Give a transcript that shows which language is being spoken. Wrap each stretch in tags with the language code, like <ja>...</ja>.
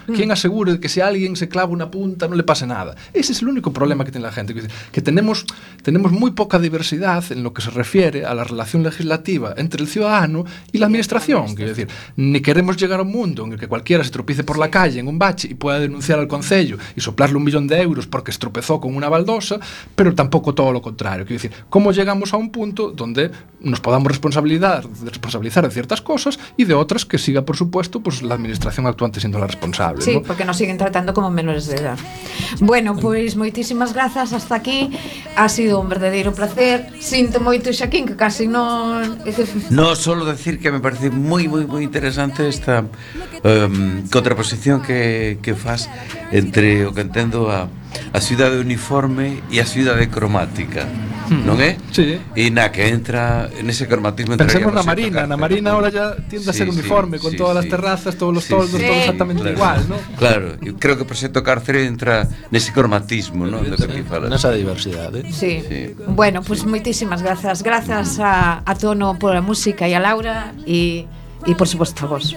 <es>¿Quién asegure que si alguien se clava una punta no le pase nada? Ese es el único problema que tiene la gente, quiero decir, que tenemos muy poca diversidad en lo que se refiere a la relación legislativa entre el ciudadano y la administración, quiero decir, ni queremos llegar a un mundo en el que cualquiera se tropiece por la calle en un bache y pueda denunciar al concello y soplarle 1 millón de euros porque estropezó con una baldosa, pero tampoco todo lo contrario. Quiero decir, ¿cómo llegamos a un punto donde nos podamos responsabilizar de ciertas cosas y de otras que siga, por supuesto, pues la administración actuante siendo la responsable? Sí, ¿no? Porque nos siguen tratando como menores de edad. Bueno, pues muchísimas gracias, hasta aquí. Ha sido un verdadero placer. Siento moito, Xaquín, que casi no... No, solo decir que me parece muy, muy, muy interesante esta...</es> <gl>contraposición que faz entre o que entendo a a cidade uniforme e a cidade cromática. Non é? Sí. E na que entra, nese cromatismo entra. Pensemos na Marina, na Marina</gl> <es>ahora ya tiende</es> <gl>a ser uniforme, con todas as terrazas, todos os toldos, todo exactamente igual, ¿no? Claro, eu creo que o proxecto Cárcere entra nese cromatismo, ¿no? Do que aquí falas. Nesa diversidade. Sí. Bueno, pues moitísimas grazas. Grazas a Tono por a música e a Laura e</gl> <es>y por supuesto</es> <gl>a vos.</gl>